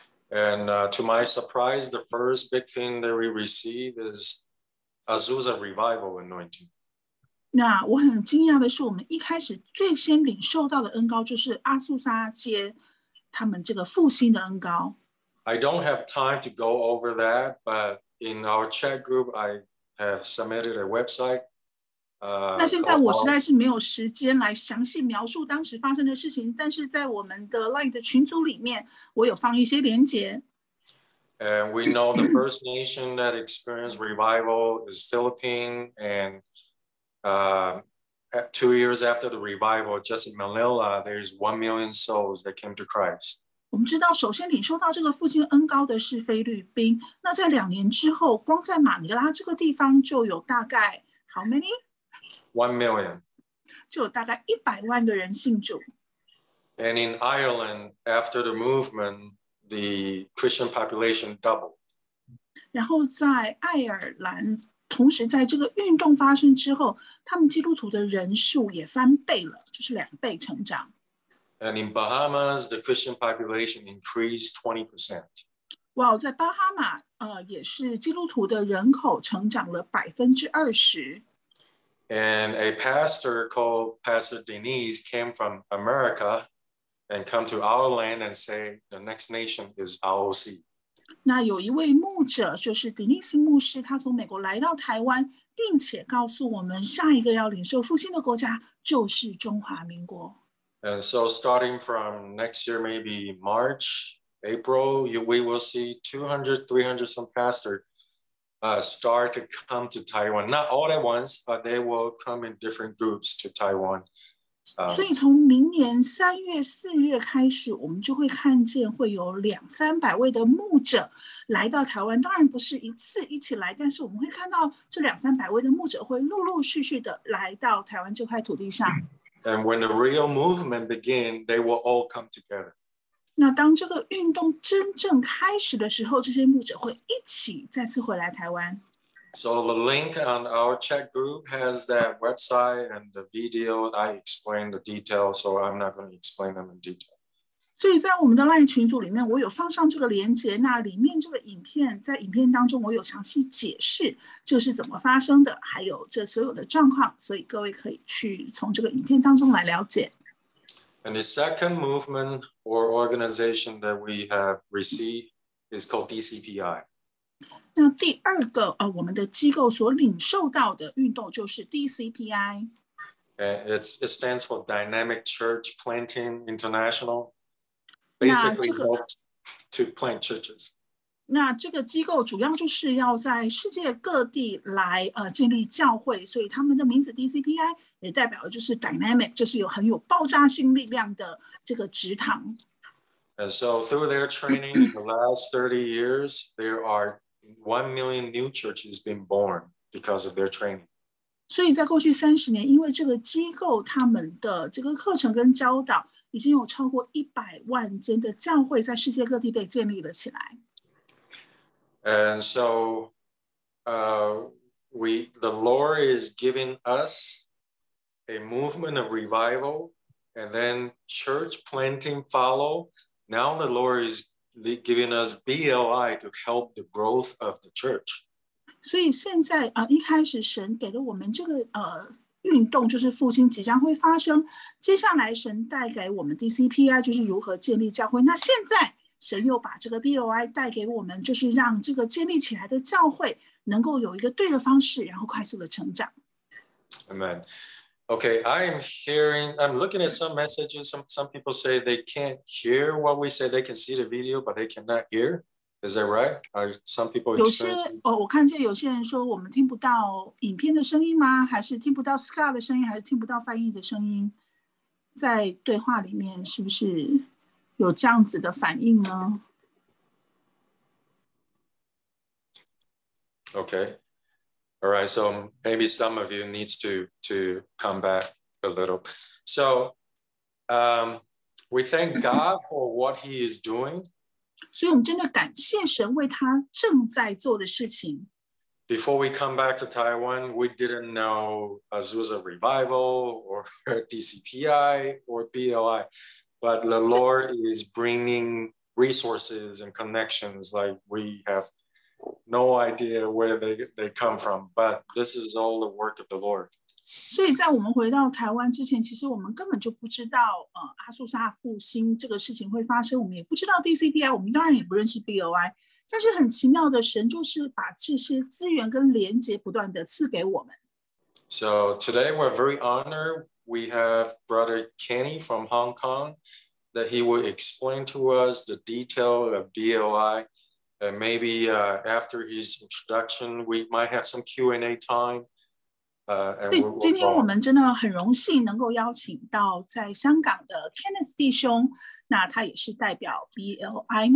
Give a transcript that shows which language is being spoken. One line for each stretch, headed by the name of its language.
English: And to my surprise, the first big thing that we receive is Azusa Revival Anointing.
Chinese: 那我很惊讶的是，我们一开始最先领受到的恩膏就是阿苏沙街他们这个复兴的恩膏。 I don't have time to go over that, but in our chat group, I have submitted a website. 那现在我实在是没有时间来详细描述当时发生的事情，但是在我们的 LINE 的群组里面，我有放一些连结。
English: And we know the first nation that experienced revival is Philippines, and 2 years after the revival, just in Manila, there's 1 million souls that came to Christ.
Chinese: 我们知道，首先领受到这个复兴恩膏的是菲律宾。那在2年之后，光在马尼拉这个地方就有大概
English: how many？ 1 million.
Chinese: 就有大概100万的人信主。
English: And in Ireland, after the movement, the Christian population doubled.
Chinese: 然后在爱尔兰，同时在这个运动发生之后，他们基督徒的人数也翻倍了，就是两倍成长。
English: And in Bahamas, the Christian population increased 20%.
Chinese: 哇，在巴哈马，也是基督徒的人口成长了20%。
English: And a pastor called Pastor Denise came from America and come to our land and say, the next nation is ROC.
Chinese: 那有一位牧者，就是迪尼斯牧师，他从美国来到台湾，并且告诉我们下一个要领受复兴的国家就是中华民国。
English: And so starting from next year, maybe March, April, we will see 200, 300 some pastors start to come to Taiwan. Not all at once, but they will come in different groups to Taiwan.
Chinese: 所以从明年三月、四月开始，我们就会看见会有两三百位的牧者来到台湾。当然不是一次一起来，但是我们会看到这两三百位的牧者会陆陆续续的来到台湾这块土地上。
English: And when the real movement begins, they will all come together.
Chinese: 那当这个运动真正开始的时候，这些牧者会一起再次回来台湾。
English: So the link on our chat group has that website and the video. I explained the details, so I'm not going to explain them in detail.
Chinese: 所以在我们的 LINE 群组里面，我有放上这个连结，那里面这个影片，在影片当中我有详细解释这是怎么发生的，还有这所有的状况，所以各位可以去从这个影片当中来了解。
English: And the second movement or organization that we have received is called DCPI.
Chinese: 那第二个、我们的机构所领受到的运动就是 DCPI。
English: It stands for Dynamic Church Planting International. Basically,、helps to plant churches.
Chinese: 那这个机构主要就是要在世界各地来、建立教会，所以他们的名字 DCPI 也代表就是 Dynamic， 就是有很有爆炸性力量的这个职堂。
English: And so through their training in the last 30 years, there are 1 million new churches being born because of their training.
Chinese: 所以在过去三十年，因为这个机构他们的这个课程跟教导，已经有超过100万间的教会在世界各地被建立了起来。
English: And so, the Lord is giving us a movement of revival, and then church planting follow. Now the Lord is giving us BLI to help the growth of the church.
Chinese: 所以现在、一开始神给了我们这个、运动，就是复兴即将会发生。接下来神带给我们 DCPI 就是如何建立教会。那现在神又把这个 BLI 带给我们，就是让这个建立起来的教会能够有一个对的方式，然后快速的成长。
English: Amen. Okay, I'm looking at some messages. Some people say they can't hear what we say. They can see the video, but they cannot hear. Is that right? Are some people experiencing?
Chinese: 我看见有些人说我们听不到影片的声音吗？还是听不到 Scott 的声音？还是听不到翻译的声音？在对话里面是不是有这样子的反应呢？
English: Okay. All right, so maybe some of you needs to come back a little. So, we thank God for what he is doing.
Chinese: 所以我们真的感谢神为他正在做的事情。
English: Before we come back to Taiwan, we didn't know Azusa Revival or DCPI or BLI, but the Lord is bringing resources and connections like we have. No idea where they come from, but this is all the work of the Lord.
Chinese: 所以在我们回到台湾之前，其实我们根本就不知道、阿苏萨复兴这个事情会发生，我们也不知道 DCPI， 我们当然也不认识 BOI， 但是很奇妙的，神就是把这些资源跟连结不断的赐给我们。
English: So today we're very honored. We have Brother Kenny from Hong Kong that he will explain to us the detail of BOI. And maybe、after his introduction, we might have some Q&A time.
Chinese: 所以今天我们真的很荣幸能够邀请到在香港的 Kenneth 弟兄，那他也是代表 BLI。